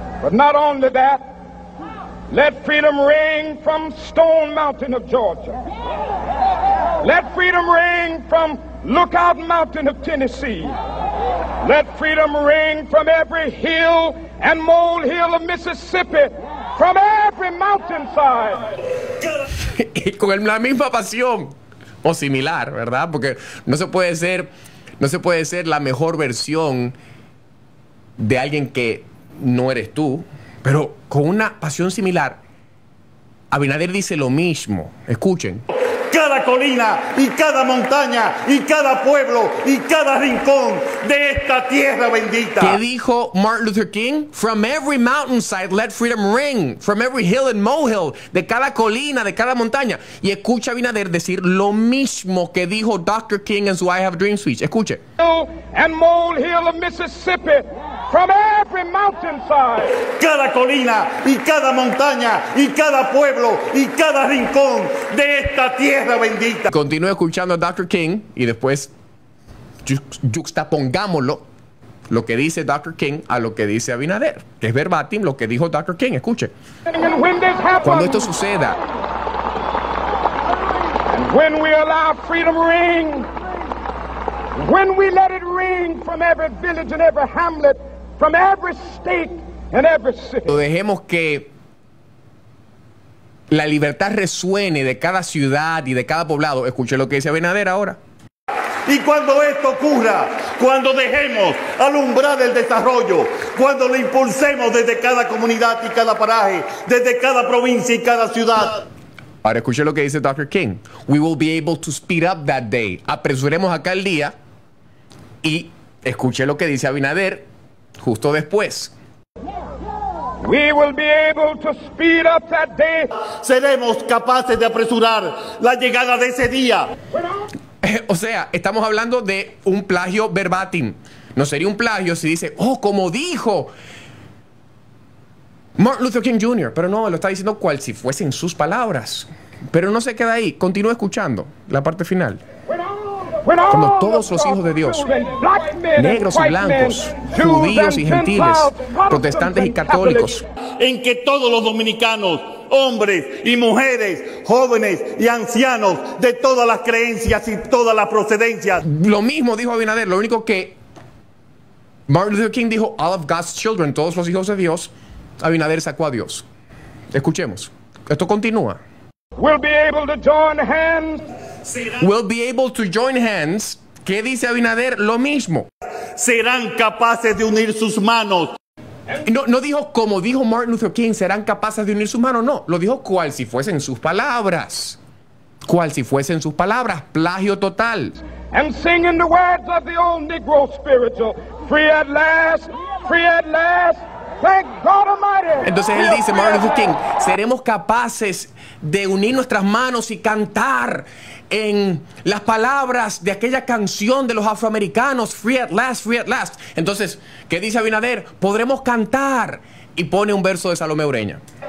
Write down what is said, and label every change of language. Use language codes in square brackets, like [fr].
[en] But not only that, let freedom ring from Stone Mountain of Georgia. Let freedom ring from Lookout Mountain of Tennessee. Let freedom ring from every hill and mole hill of Mississippi, from every mountainside. [es] Y con la misma pasión, o similar, ¿verdad? Porque no se puede ser la mejor versión de alguien que no eres tú, pero con una pasión similar, Abinader dice lo mismo. Escuchen. Cada colina y cada montaña y cada pueblo y cada rincón de esta tierra bendita. ¿Qué dijo Martin Luther King? [en] From every mountainside let freedom ring. From every hill and molehill. [es] De cada colina, de cada montaña. Y escucha a Abinader decir lo mismo que dijo Dr. King en su I Have a Dream speech. Escuche. [en] And molehill of Mississippi. From every mountainside. [es] Cada colina y cada montaña y cada pueblo y cada rincón de esta tierra bendita. Continúe escuchando a Dr. King y después juxtapongámoslo, lo que dice Dr. King a lo que dice Abinader, que es verbatim lo que dijo Dr. King. Escuche. Cuando esto suceda. [en] When we allow freedom ring, when we let it ring from every village and every hamlet, from every state and every city. [es] Lo dejemos que la libertad resuene de cada ciudad y de cada poblado. Escuche lo que dice Abinader ahora. Y cuando esto ocurra, cuando dejemos alumbrar el desarrollo, cuando lo impulsemos desde cada comunidad y cada paraje, desde cada provincia y cada ciudad. Ahora escuche lo que dice Dr. King. [en] We will be able to speed up that day. [es] Apresuremos acá el día. Y escuche lo que dice Abinader justo después. [en] We will be able to speed up that day. [es] Seremos capaces de apresurar la llegada de ese día. O sea, estamos hablando de un plagio verbatim. No sería un plagio si dice, oh, como dijo Martin Luther King Jr. Pero no, lo está diciendo cual si fuesen sus palabras. Pero no se queda ahí. Continúa escuchando la parte final. Cuando todos los hijos de Dios, negros y blancos, judíos y gentiles, protestantes y católicos, en que todos los dominicanos, hombres y mujeres, jóvenes y ancianos, de todas las creencias y todas las procedencias. Lo mismo dijo Abinader, lo único que Martin Luther King dijo, [en] all of God's children, [es] todos los hijos de Dios, Abinader sacó a Dios. Escuchemos, esto continúa. We'll be able to join hands. We'll be able to join hands. ¿Qué dice Abinader? Lo mismo. Serán capaces de unir sus manos. No dijo como dijo Martin Luther King, serán capaces de unir sus manos. No, lo dijo cual si fuesen sus palabras. cual si fuesen sus palabras, plagio total. [en] And singing the words of the old Negro spiritual, free at last, free at last. Thank God Almighty. [es] Entonces él dice, Martin Luther King, seremos capaces de unir nuestras manos y cantar en las palabras de aquella canción de los afroamericanos, [en] free at last, free at last. [es] Entonces, ¿qué dice Abinader? Podremos cantar. Y pone un verso de Salomé Ureña.